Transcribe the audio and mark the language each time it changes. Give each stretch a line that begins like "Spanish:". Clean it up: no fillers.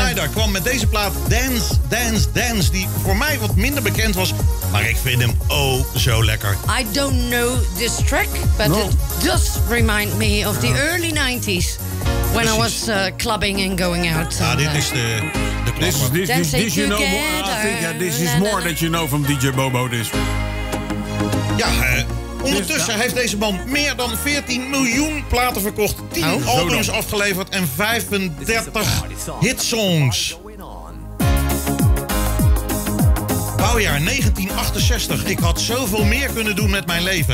Dutch: Florida kwam met deze plaat Dance, Dance, Dance, die voor mij wat minder bekend was, maar ik vind hem oh zo lekker.
English: I don't know this track, but no. It does remind me of the early 90s, when
Dutch: precies.
English: I was clubbing and going out.
Dutch: Ja, dit is de...
English: This you know, this is more that you know from DJ Bobo. This.
Dutch: Ja, ondertussen heeft deze man meer dan 14 miljoen platen verkocht, 10 albums afgeleverd en 35 hitsongs. Bouwjaar 1968. Ik had zoveel meer kunnen doen met mijn leven.